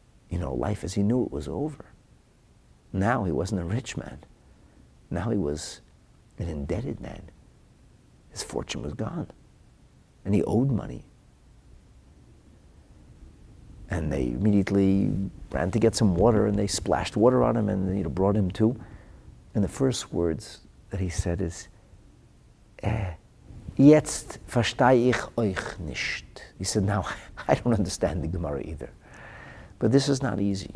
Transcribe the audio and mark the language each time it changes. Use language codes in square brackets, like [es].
[en] You know, life as he knew it was over. Now he wasn't a rich man. Now he was an indebted man. His fortune was gone. And he owed money. And they immediately ran to get some water, and they splashed water on him and, you know, brought him to. And the first words that he said is, [de] jetzt verstehe ich euch nicht. [en] He said, now I don't understand the Gemara either. But this is not easy.